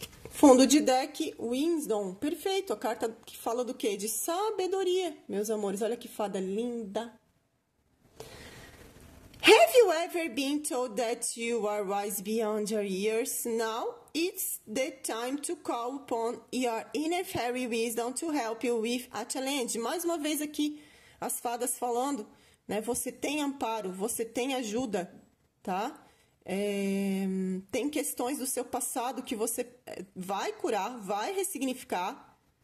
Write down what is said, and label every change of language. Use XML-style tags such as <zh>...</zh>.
<pt>Fundo de deck, Wisdom. Perfeito. A carta que fala do quê? De sabedoria, meus amores. Olha que fada linda.</pt> <en>Have you ever been told that you are wise beyond your years? Now it's the time to call upon your inner fairy wisdom to help you with a challenge.</en> <pt>Mais uma vez aqui, as fadas falando, né? Você tem amparo, você tem ajuda, tá? É, tem questões do seu passado que você vai curar, vai ressignificar.</pt>